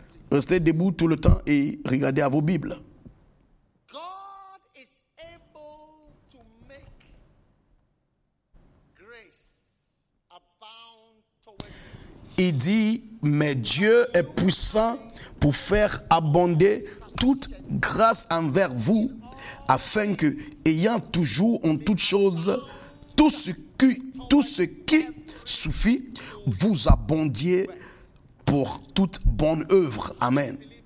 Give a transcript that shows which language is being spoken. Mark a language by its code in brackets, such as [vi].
[fr] Restez debout tout le temps et regardez à vos Bibles. [en] God is able to make grace abound towards you. [fr] Il dit, mais Dieu est puissant pour faire abonder toute grâce envers vous, afin que, ayant toujours en toute chose tout ce qui suffit, vous abondiez pour toute bonne œuvre. Amen.